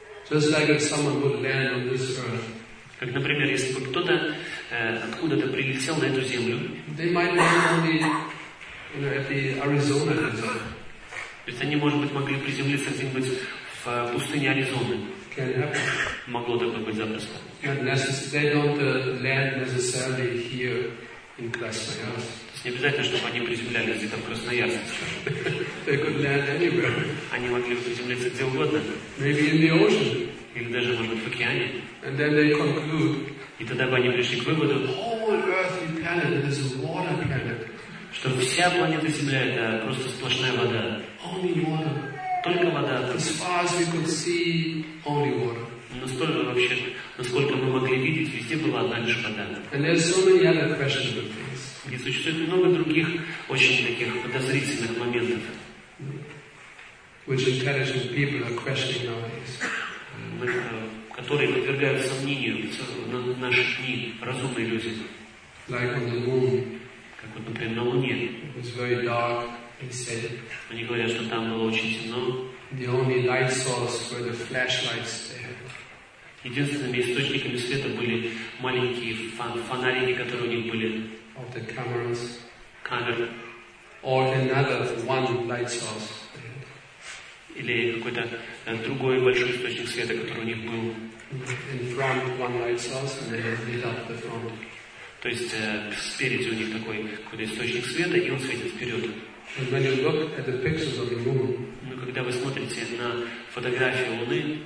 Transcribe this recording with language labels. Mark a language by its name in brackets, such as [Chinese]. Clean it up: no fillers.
[English] Just like if someone would land on this earth. [Russian] Как, например, если бы кто-то откуда-то прилетел на эту землю. [English] They might land on at the Arizona. [Russian] То есть они, может быть, могли приземлиться где-нибудь в пустыне Аризоны. [English] Can happen. [Russian] Могло такое быть запросто. [English] They don't land necessarily here in Krasnoyarsk. [Russian] То есть не обязательно, чтобы они приземлялись где-то в Красноярске. [English] They could land anywhere. [Russian] Они могли бы приземлиться где угодно. [English] Maybe in the ocean. [Russian] Или даже, может быть, в океане. [English] And then they conclude. [Russian] И тогда бы они пришли к выводу. [English] Whole earthly planet is a water planet. [Russian] Что вся планета Земля это просто сплошная вода. [English] Only water. [Russian] Только вода. [English] As far as we could see, only water. [Russian] Настолько вообще, насколько мы могли видеть, везде была одна лишь вода. [English] And there are so many other questionable things. [Russian] И существует много других очень таких подозрительных моментов, [English] which intelligent people are questioning nowadays. [Russian] Которые подвергают сомнению в наши дни разумные люди. [English] Like on the moon. [Russian] Как вот, например, на Луне. [English] It's very dark. Said, [Russian] они говорят, что там было очень темно. [English] The only light source were the flashlights there. [Russian] Единственными источниками света были маленькие фонарики, которые у них были. [English] Of the cameras. [Russian] Камер. [English] Or another one light source. [Russian] Или какой-то другой большой источник света, который у них был. [English] In front one light source, and they lit up the front. [Russian] То есть спереди у них такой какой-то источник света, и он светит вперед. [English] And when you look at the pictures of the moon, [Russian] ну, когда вы смотрите на фотографии Луны,